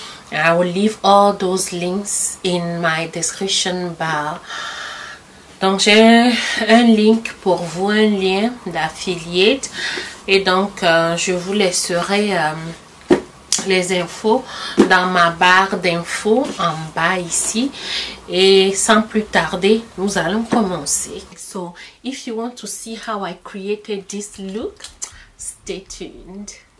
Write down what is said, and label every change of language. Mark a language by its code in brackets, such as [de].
[en] I will leave all those links in my description bar. [fr] Donc j'ai un link pour vous, un lien d'affiliate. Et donc je vous laisserai les infos dans ma barre d'infos en bas ici, et sans plus tarder nous allons commencer. [en] So if you want to see how I created this look, stay tuned.